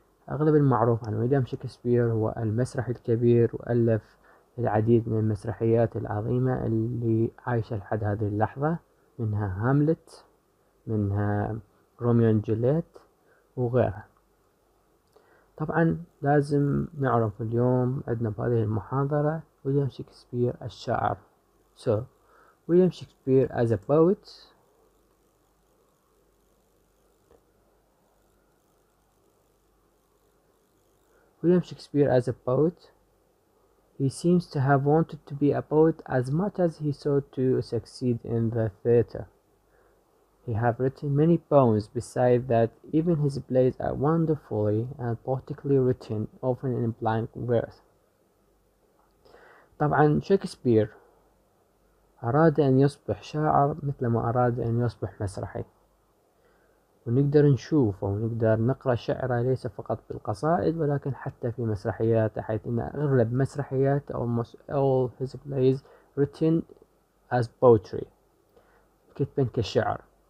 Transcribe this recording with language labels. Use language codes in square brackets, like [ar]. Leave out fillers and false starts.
[ar] أغلب المعروف عن ويليام شكسبير هو المسرح الكبير وألف العديد من المسرحيات العظيمة اللي عايشة لحد هذه اللحظة، منها هاملت، منها روميو وجولييت وغيرها. طبعا لازم نعرف اليوم عندنا بهذه المحاضرة ويليام شكسبير الشاعر. [en] So William Shakespeare as a poet. William Shakespeare as a poet. He seems to have wanted to be a poet as much as he sought to succeed in the theatre. He have written many poems besides that. Even his plays are wonderfully and poetically written, often in blank verse. [ar] طبعا شكسبير أراد أن يصبح شاعر مثل ما أراد أن يصبح مسرحي، ونقدر نشوف ونقدر نقرأ شعره ليس فقط بالقصائد ولكن حتى في مسرحيات، حيث أن أغلب مسرحيات [en] almost all his plays written as poetry، [ar] كتبن كشعر.